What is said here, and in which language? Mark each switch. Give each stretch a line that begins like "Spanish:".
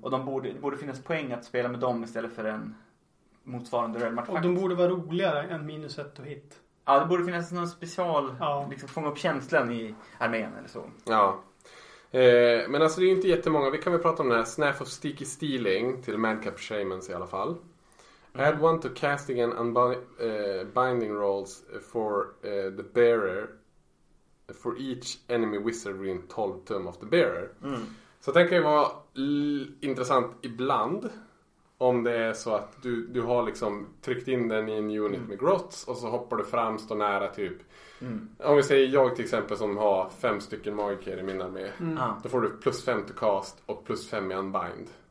Swedish: Och det borde finnas poäng att spela med dem istället för en motsvarande Realm artefakt. Och de borde vara roligare än minus ett och hit. Ja, det borde finnas någon special, liksom fånga upp känslan i armén eller så. Ja. Men alltså det är ju inte jättemånga. Vi kan väl prata om den här Snaff of Sticky Stealing till Madcap Shamans i alla fall.
English: Add one to casting and binding rolls for the bearer for each enemy wizard within 12 tum of the bearer.
Swedish: Mm. Så jag tänker det vara intressant ibland om det är så att du har liksom tryckt in den i en unit med grots och så hoppar du fram, står nära typ. Mm. Om vi säger jag till exempel som har 5 stycken magiker i min armé, då får du plus 5
English: to cast
Swedish: och plus 5 i unbind.